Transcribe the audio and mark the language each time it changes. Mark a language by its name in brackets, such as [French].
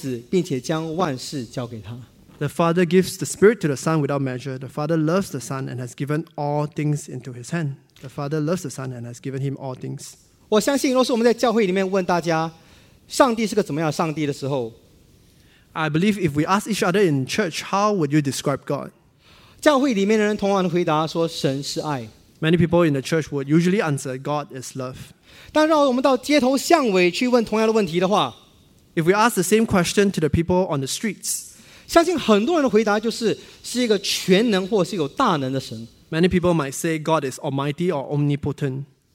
[Chinese] 上帝赐给他的灵是没有限量，父爱子已经把万事交在他手里，父爱子并且将万事交给他。 [English] The Father gives the Spirit to the Son without measure. The Father loves the Son and has given all things into His hand. The Father loves the Son and has given Him all things. [Chinese] 我相信，若是我们在教会里面问大家，上帝是个怎么样的上帝的时候。 [English] I believe if we ask each other in church, how would you describe God? [Chinese] 教会里面的人通常回答说神是爱。 [English] Many people in the church would usually answer God is love. [Chinese] 但如果我们到街头巷尾去问同样的问题的话, [English] if we ask the same question to the people on the streets, [Chinese] 相信很多人的回答就是是一个全能或是有大能的神。 [English] Many people might say God is almighty or omnipotent.